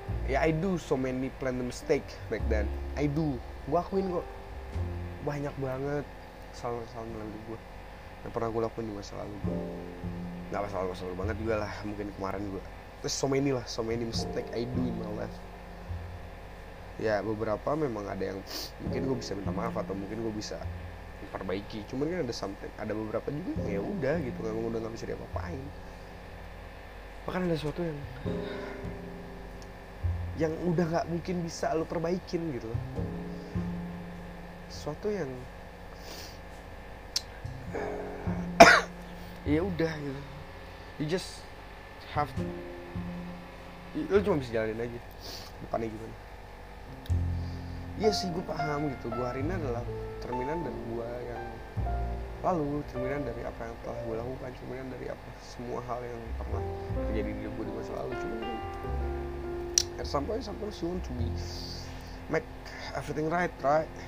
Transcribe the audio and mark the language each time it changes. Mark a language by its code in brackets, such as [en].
[en] Yeah, I do so many planned mistake back then. I do, [id] gua akuin kok, banyak banget salah-salah dalam hidup gue yang pernah gue lakuin di masa lalu. Gak masalah-masalah banget juga lah, mungkin kemarin gue [en] there's so many lah, so many mistake I do in my life. [id] Ya beberapa memang ada yang mungkin gue bisa minta maaf atau mungkin gue bisa perbaiki. Cuman kan ada something, ada beberapa juga yang ya udah gitu, nggak udah nggak bisa diapa-apain. Bahkan ada sesuatu yang udah nggak mungkin bisa lo perbaikin gitu. Sesuatu yang ya udah gitu. [en] You just have to, [id] lo cuma bisa jalanin aja. Depannya gimana? Iya sih, gue paham gitu. Gue hari ini adalah cerminan dari gue yang lalu, cerminan dari apa yang telah gue lakukan, cerminan dari apa semua hal yang pernah terjadi di gue di masa lalu. [en] Cuma at some point, sometimes you want to be make everything right, right?